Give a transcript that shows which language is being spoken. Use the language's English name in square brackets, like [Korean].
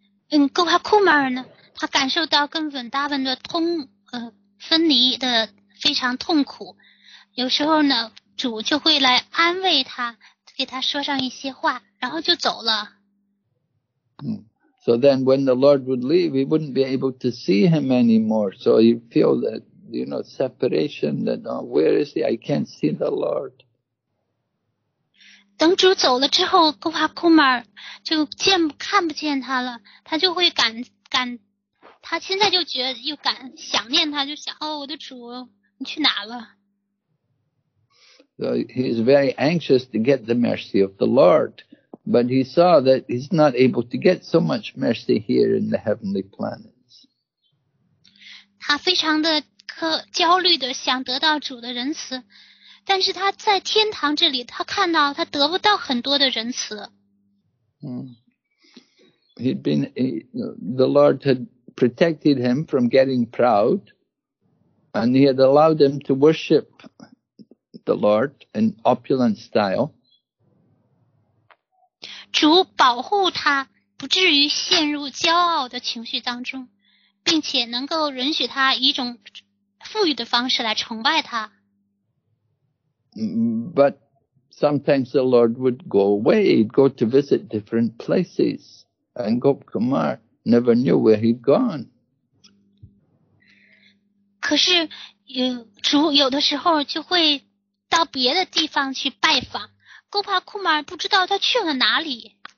[Chinese] Gopakumar 呢，他感受到跟 Vrindavan 的分离的非常痛苦，有时候呢，主就会来安慰他，给他说上一些话，然后就走了。 [English] So then when the Lord would leave, he wouldn't be able to see him anymore. So you feel that, you know, separation, that, oh, where is he? I can't see the Lord. [Chinese] 等主走了之后，格瓦库马尔就见看不见他了，他就会感，他现在就觉得又感想念他，就想哦，我的主，你去哪了 [English] ？So he is very anxious to get the mercy of the Lord, but he saw that he's not able to get so much mercy here in the heavenly planets. [Chinese] 他非常的焦虑的想得到主的仁慈。但是他在天堂这里，他看到他得不到很多的仁慈。 [English] The Lord had protected him from getting proud, and he had allowed him to worship the Lord in opulent style. [Chinese] 主保护他，不至于陷入骄傲的情绪当中，并且能够允许他以一种富裕的方式来崇拜他。 [English] But sometimes the Lord would go away, he'd go to visit different places, and Gop Kumar never knew where he'd gone. [Chinese] 可是主有的时候就会到别的地方去拜访， Gop Kumar 不知道他去了哪里。